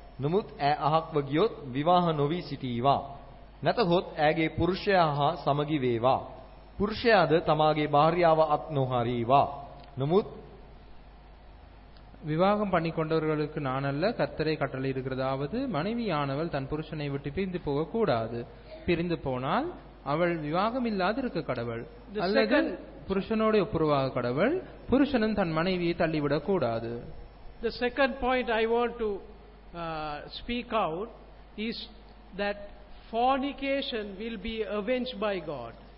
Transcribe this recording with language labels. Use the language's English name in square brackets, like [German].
[Sinhala] නමුත් ඈ අහක්ව ගියොත් විවාහ නොවි සිටීවා නැතහොත් ඈගේ පුරුෂයා හා සමගි වේවා පුරුෂයාද තමාගේ භාර්යාව අත් නොහරීවා නමුත් [Tamil] විවාහම් பண்ணிக்கொண்டவர்களுக்கு நான் அல்ல கர்த்தரே கட்டளையிடுகிறதாவது மனைவியானவள் தன் புருஷனை விட்டு பிரிந்து போகக்கூடாது பிரிந்து போனால் அவள் விவாகம் இல்லாதிருக்க கடவுள் அல்லது புருஷனோட ஒப்புரவாக கடவுள் புருஷனும் தன் மனைவியை தள்ளிவிடக்கூடாது [English] The second point I want to speak out is that fornication will be avenged by God.